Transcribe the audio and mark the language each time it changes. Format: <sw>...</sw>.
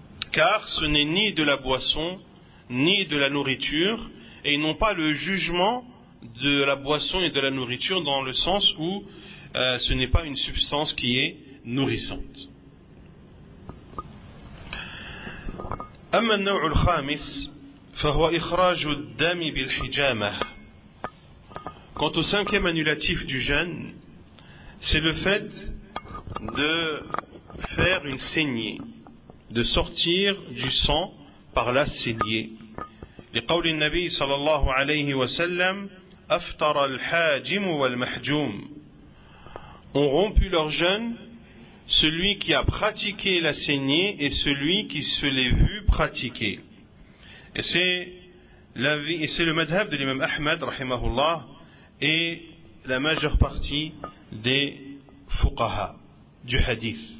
<fr>Car ce n'est ni de la boisson, ni de la nourriture, et ils n'ont pas le jugement de la boisson et de la nourriture dans le sens où ce n'est pas une substance qui est nourrissante.</fr> <ar>أما النوع الخامس فهو إخراج الدم بالحجامة.</ar> <fr>Quant au cinquième annulatif du jeûne, c'est le fait de faire une saignée, de sortir du sang par la saignée.</fr> <ar>لقول النبي صلى الله عليه وسلم أفطر الحاجم والمحجوم.</ar> <fr>Ont rompu leur jeûne celui qui a pratiqué la saignée et celui qui se l'est vu pratiquer. Et c'est le madhhab de l'imam Ahmed, rahimahullah, et la majeure partie des fuqaha du hadith.</fr>